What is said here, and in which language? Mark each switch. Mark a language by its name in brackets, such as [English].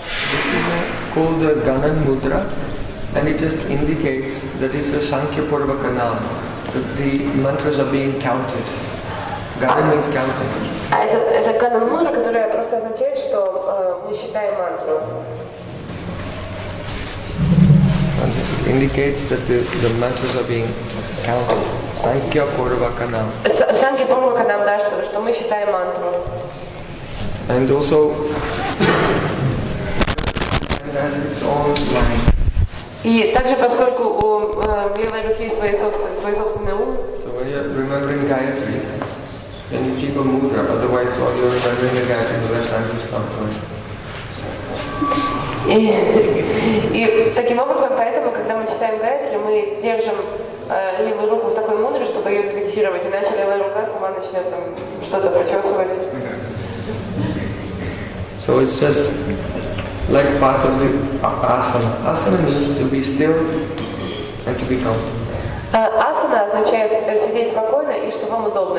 [English] This is called the Ganan Mudra, and it just indicates that it's a Sankhya Purvaka Naam, that the mantras are being counted. Ganan means counting. [Russian] Это Ганан Мудра, которая просто означает, что мы считаем мантру. [English] And it indicates that the mantras are being counted. [Sanskrit] Sankhya Purvaka Naam. [Russian] Sankhya Purvaka Naam, да, что мы считаем мантру. [English] And also, it has its own mind. [Russian] И также поскольку у белой руки свой собственный ум. [English] So when you're remembering Gayatri, then you keep a mudra. Otherwise, while you're remembering the Gayatri, the left hand is not going. [Russian] И таким образом, поэтому, когда мы читаем Гайатри, мы держим левую руку в такой мудре, чтобы ее зафиксировать, иначе левая рука сама начнет там что-то почесывать. [English] So it's just like part of the asana. Asana means to be still and to be comfortable. [Russian] Asana означает сидеть спокойно и что вам удобно.